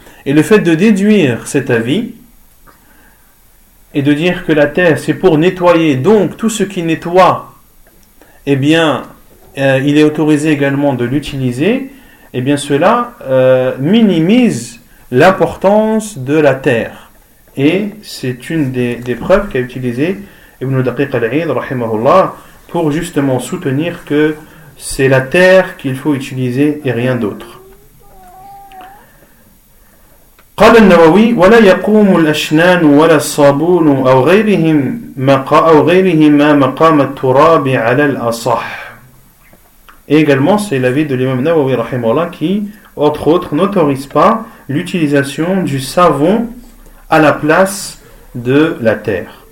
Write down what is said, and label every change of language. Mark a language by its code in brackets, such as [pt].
[fr] Et le fait de déduire cet avis et de dire que la terre, c'est pour nettoyer, donc tout ce qui nettoie, eh bien, il est autorisé également de l'utiliser, eh bien, cela minimise l'importance de la terre. Et c'est une des preuves qu'a utilisé Ibn Daqiq al-Aid, rahimahullah, pour justement soutenir que c'est la terre qu'il faut utiliser et rien d'autre. [ar] قال النووي ولا يقوم الأشنان ولا الصابون أو غيرهم أو غيرهما مقام التراب على الأصح. [fr] Également, c'est l'avis de l'imam Nawawi rahimahullah qui, entre autres, n'autorise pas l'utilisation du savon à la place de la terre.